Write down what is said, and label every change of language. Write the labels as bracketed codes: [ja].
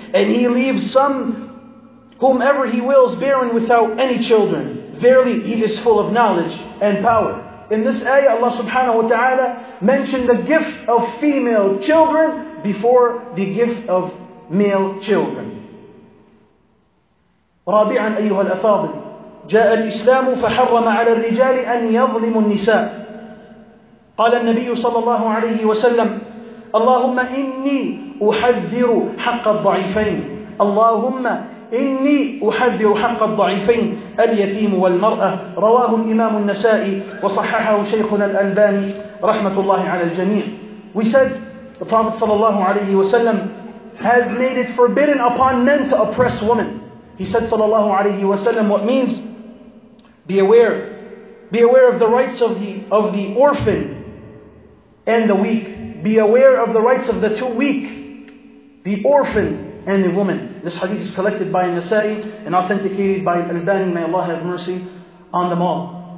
[en] And He leaves some whomever He wills barren without any children. Verily, He is full of knowledge and power. In this ayah, Allah subhanahu wa ta'ala mentioned the gift of female children before the gift of male children. [ar] رَابِعًا أَيُّهَا الْأَفَاضِلِ جَاءَ الْإِسْلَامُ فَحَرَّمَ عَلَى الرِّجَالِ أَنْ يَظْلِمُ النِّسَاءِ قال النبي صلى الله عليه وسلم اللهم إني أحذر حق الضعيفين اللهم إني أحذر حق الضعيفين اليتيم والمرأة رواه الإمام النسائي وصححه شيخنا الألباني رحمة الله على الجميع. [en] We said the Prophet [ar] صلى الله عليه وسلم [en] has made it forbidden upon men to oppress women. He said [ar] صلى الله عليه وسلم, [en] what means? Be aware of the rights of the orphan and the weak. Be aware of the rights of the two weak, the orphan and the woman. This hadith is collected by Nasa'i and authenticated by Al-Albani. May Allah have mercy on them all.